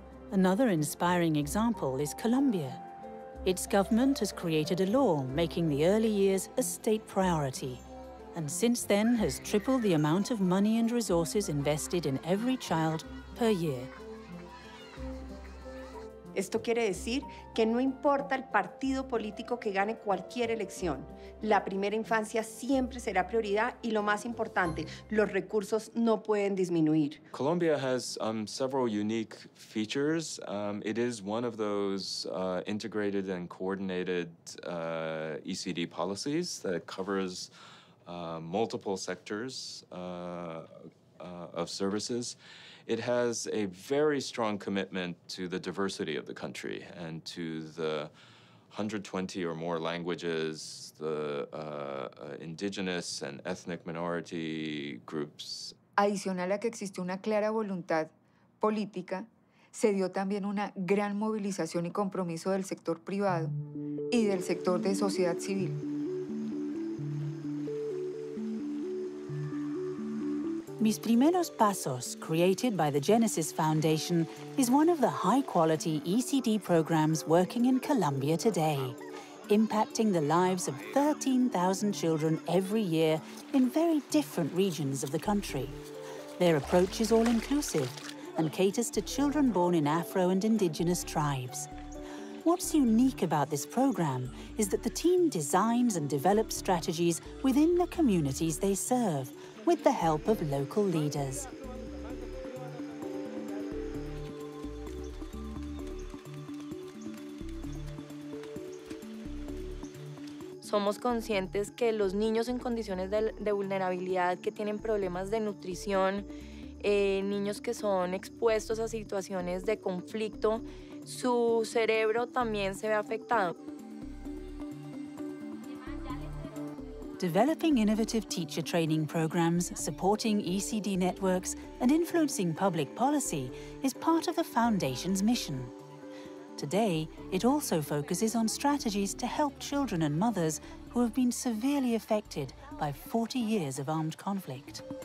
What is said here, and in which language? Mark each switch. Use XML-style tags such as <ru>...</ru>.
<en>Another inspiring example is Colombia. Its government has created a law making the early years a state priority, and since then has tripled the amount of money and resources invested in every child per year.</en> <es>Esto quiere decir que no importa el partido político que gane cualquier elección, la primera infancia siempre será prioridad y lo más importante, los recursos no pueden disminuir.</es> <en>Colombia has several unique features. It is one of those integrated and coordinated ECD policies that covers multiple sectors of services. It has a very strong commitment to the diversity of the country and to the 120 or more languages, the indigenous and ethnic minority groups.</en> <es>Adicional a que existe una clara voluntad política, se dio también una gran movilización y compromiso del sector privado y del sector de sociedad civil.</es> <en>Mis Primeros Pasos, created by the Genesis Foundation, is one of the high-quality ECD programs working in Colombia today, impacting the lives of 13,000 children every year in very different regions of the country. Their approach is all-inclusive and caters to children born in Afro and indigenous tribes. What's unique about this program is that the team designs and develops strategies within the communities they serve, with the help of local leaders.</en> <es>Somos conscientes que los niños en condiciones de vulnerabilidad, que tienen problemas de nutrición, niños que son expuestos a situaciones de conflicto, su cerebro también se ve afectado.</es> <en>Developing innovative teacher training programs, supporting ECD networks, and influencing public policy is part of the foundation's mission. Today, it also focuses on strategies to help children and mothers who have been severely affected by 40 years of armed conflict.</en>